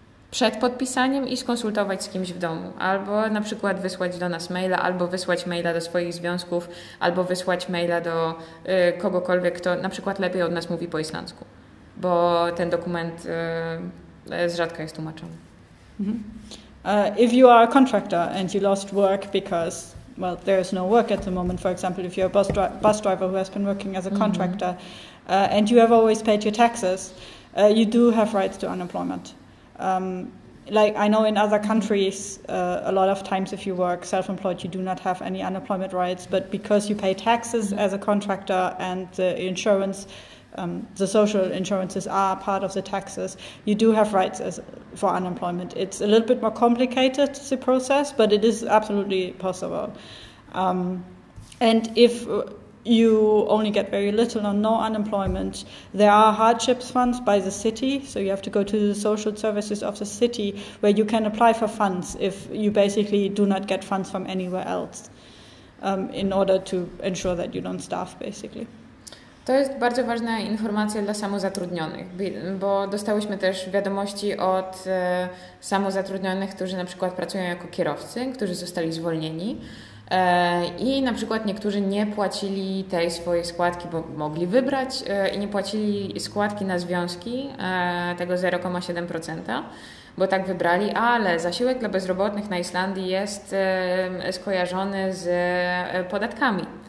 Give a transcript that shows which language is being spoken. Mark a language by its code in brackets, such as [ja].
[pl] Przed podpisaniem i skonsultować z kimś w domu. Albo na przykład wysłać do nas maila, albo wysłać maila do swoich związków, albo wysłać maila do kogokolwiek, kto na przykład lepiej od nas mówi po islandzku. Bo ten dokument z rzadka jest tłumaczony. Mm-hmm. [en] If you are a contractor and you lost work because, well, there is no work at the moment, for example, if you're a bus driver who has been working as a contractor, mm-hmm. And you have always paid your taxes, you do have rights to unemployment. Like I know in other countries, a lot of times if you work self-employed, you do not have any unemployment rights, but because you pay taxes mm-hmm. as a contractor and the insurance, the social insurances are part of the taxes, you do have rights for unemployment. It's a little bit more complicated, the process, but it is absolutely possible. And if you only get very little or no unemployment, there are hardships funds by the city, so you have to go to the social services of the city where you can apply for funds if you basically do not get funds from anywhere else, in order to ensure that you don't starve, basically. [pl] To jest bardzo ważna informacja dla samozatrudnionych, bo dostałyśmy też wiadomości od samozatrudnionych, którzy na przykład pracują jako kierowcy, którzy zostali zwolnieni i na przykład niektórzy nie płacili tej swojej składki, bo mogli wybrać i nie płacili składki na związki tego 0,7%, bo tak wybrali, ale zasiłek dla bezrobotnych na Islandii jest skojarzony z podatkami.